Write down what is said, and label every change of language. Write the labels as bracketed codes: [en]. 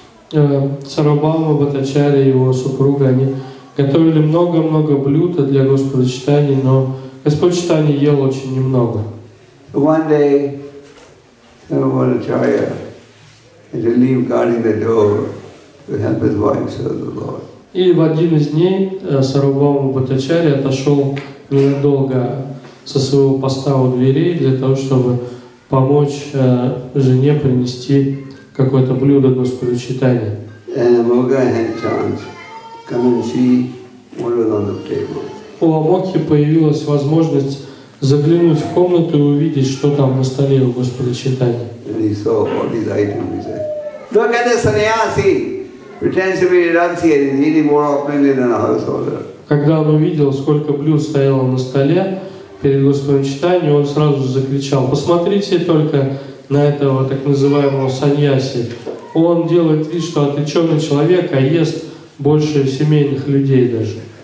[ru] Сарвабхаума Бхаттачарья и его супруга, они готовили много-много блюд для Господа Чайтаньи, но Господь Чайтанья ел очень немного. [en] One day, Sarvabhauma Bhattacharya had to leave guarding the door to help his wife serve the Lord. [ru] И в один из дней Сарвабхаума Бхаттачарья отошел ненадолго со своего поста у дверей для того, чтобы помочь жене принести какое-то блюдо Господу Чайтанье. [en] And Amogha had chance. Come and see what was on the table. [ru] У Амокхи появилась возможность заглянуть в комнату и увидеть, что там на столе у Господа Чайтанья. [en] And he saw all these items. He said, look at the sannyasi. Pretends to be a renunciate. He's eating more openly than a householder. [ru] Когда он увидел, сколько блюд стояло на столе перед Господом Чайтаньей, он сразу закричал, посмотрите только на этого так называемого саньяси. Он делает вид, что отреченный человек, а ест больше семейных людей даже.